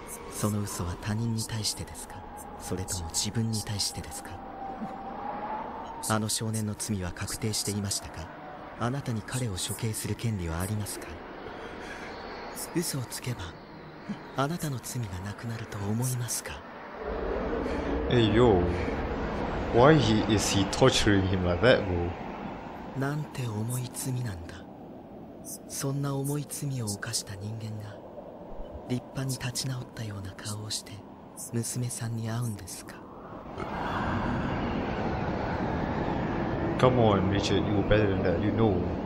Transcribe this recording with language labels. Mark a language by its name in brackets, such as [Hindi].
[Japanese] その嘘は他人に対してですか？それとも自分に対してですか？あの少年の罪は確定していましたか？あなたに彼を処刑する権利はありますか？嘘をつけばあなたの罪がなくなると思いますか？ [English] Hey, yo. Why is he torturing him like that, bro? [Japanese] なんて重い罪なんだ。そんな重い罪を犯した人間が立派に立ち直ったような顔をして娘さんに会うんですか？ [English] Come on, Richard, you're better than that, you know.